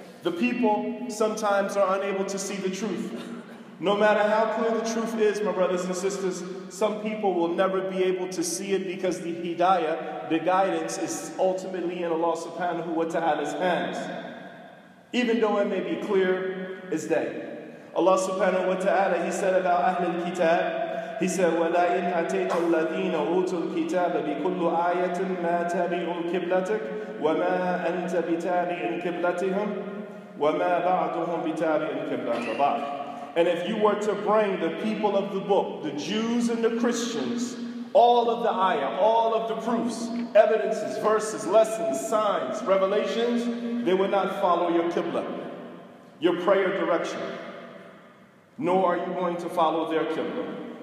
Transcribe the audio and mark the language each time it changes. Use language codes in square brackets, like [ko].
[en] The people sometimes are unable to see the truth. No matter how clear the truth is, my brothers and sisters, some people will never be able to see it because the hidayah, the guidance, is ultimately in Allah subhanahu wa ta'ala's hands. Even though it may be clear, is day. Allah subhanahu wa ta'ala, He said about Ahl al-Kitab, He said, [ar] وَلَئِنْ أَتَيْتَ الَّذِينَ أُوتُوا الْكِتَابَ بِكُلُّ آيَةٍ مَا تَبِعُوا قِبْلَتَكَ وَمَا أَنْتَ بِتَابِعٍ قِبْلَتِهِمْ وَمَا بَعْضُهُمْ بِتَابِعٍ قِبْلَةَ بَعْضٍ. [en] And if you were to bring the people of the book, the Jews and the Christians, all of the ayah, all of the proofs, evidences, verses, lessons, signs, revelations, they would not follow your qibla, your prayer direction, nor are you going to follow their qibla.